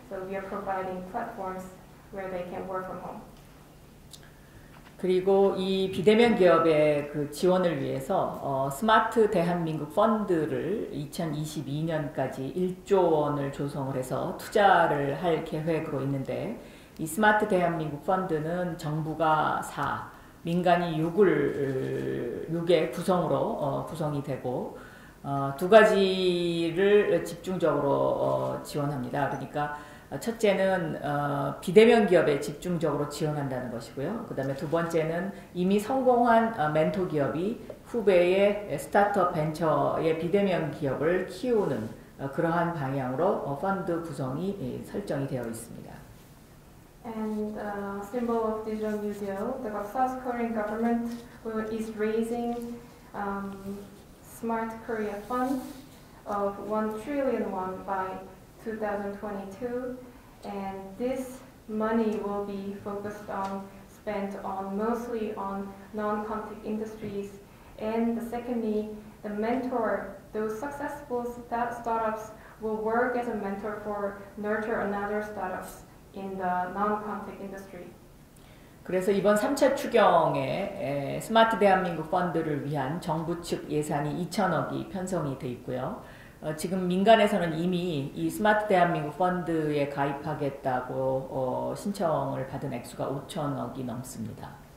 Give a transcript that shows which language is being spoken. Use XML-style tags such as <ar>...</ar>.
<en>So we are providing platforms where they can work from home.</en> <ko>그리고 이 비대면 기업의 그 지원을 위해서 스마트 대한민국 펀드를 2022년까지 1조 원을 조성을 해서 투자를 할 계획으로 있는데 이 스마트 대한민국 펀드는 정부가 4, 민간이 6의 구성으로 구성이 되고 두 가지를 집중적으로 지원합니다. 그러니까 첫째는 비대면 기업에 집중적으로 지원한다는 것이고요. 그 다음에 두 번째는 이미 성공한 멘토 기업이 후배의 스타트업 벤처의 비대면 기업을 키우는 그러한 방향으로 펀드 구성이 설정이 되어 있습니다.</ko> <en>And symbol of digital new deal, the South Korean government is raising Smart Korea Fund of 1 trillion won by 2022, and this money will be focused on spent on mostly on non-contact industries. And the secondly, the mentor, those successful startups will work as a mentor for nurture another startups in the non-contact industry.</en> <ko>그래서 이번 3차 추경에 스마트 대한민국 펀드를 위한 정부 측 예산이 2천억이 편성이 돼 있고요. 지금 민간에서는 이미 이 스마트 대한민국 펀드에 가입하겠다고 신청을 받은 액수가 5천억이 넘습니다.</ko>